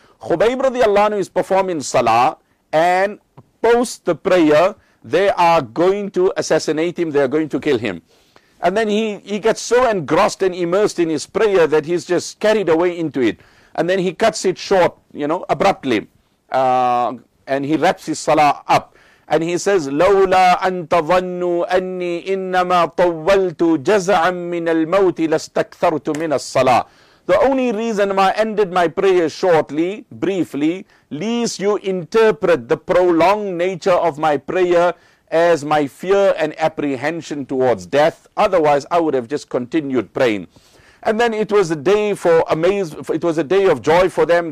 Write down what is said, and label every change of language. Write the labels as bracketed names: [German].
[English] Khubayb radiallahu anhu is performing salah, and post the prayer, they are going to assassinate him, they are going to kill him. And then he gets so engrossed and immersed in his prayer that he's just carried away into it. And then he cuts it short, you know, abruptly. And he wraps his salah up. And he says, [Arabic] لَوْلَا أَن تَظَنُّوا أَنِّي إِنَّمَا طَوَّلْتُ جَزَعًا مِّنَ الْمَوْتِ لَاسْتَكْثَرْتُ مِّنَ الصَّلَاةِ. [English] The only reason I ended my prayer shortly, briefly, lest you interpret the prolonged nature of my prayer as my fear and apprehension towards death. Otherwise, I would have just continued praying. And then it was a day for it was a day of joy for them.